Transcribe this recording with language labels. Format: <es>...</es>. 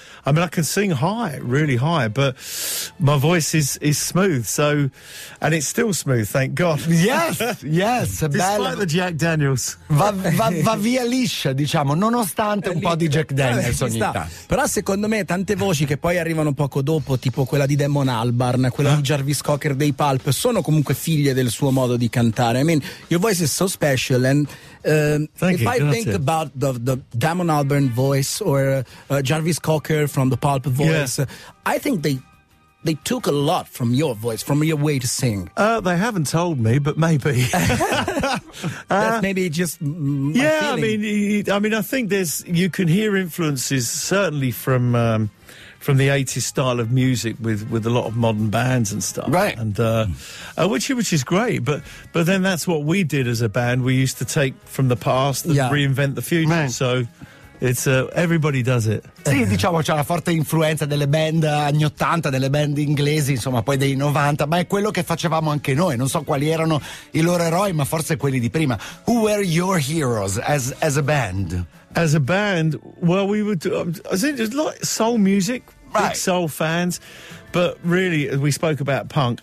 <en>I mean, I can sing high, really high, but my voice is smooth, so, and it's still smooth, thank God. Yes. Despite the Jack Daniels.</en> <it>Va via liscia, diciamo, nonostante un po' di Jack Daniels ogni tanto. Però secondo me tante voci che poi arrivano poco dopo, tipo quella di Damon Albarn, quella di Jarvis Cocker dei Pulp, sono comunque figlie del suo modo di cantare.</it> <en>I mean, your voice is so special, and think about the Damon Albarn voice or Jarvis Cocker from the Pulp voice, I think they took a lot from your voice, from your way to sing. They haven't told me, but maybe that's maybe just my feeling. I mean I think you can hear influences certainly from the 80s style of music with a lot of modern bands and stuff, right? And which is great, but then that's what we did as a band. We used to take from the past and reinvent the future, man. So it's everybody does it.</en> <it>Sì, diciamo c'è una forte influenza delle band anni 80, delle band inglesi, insomma, poi dei 90, ma è quello che facevamo anche noi. Non so quali erano i loro eroi, ma forse quelli di prima.</it> <en>Who were your heroes as a band? As a band, well, we would just like soul music, right. Big soul fans, but really we spoke about punk.</en>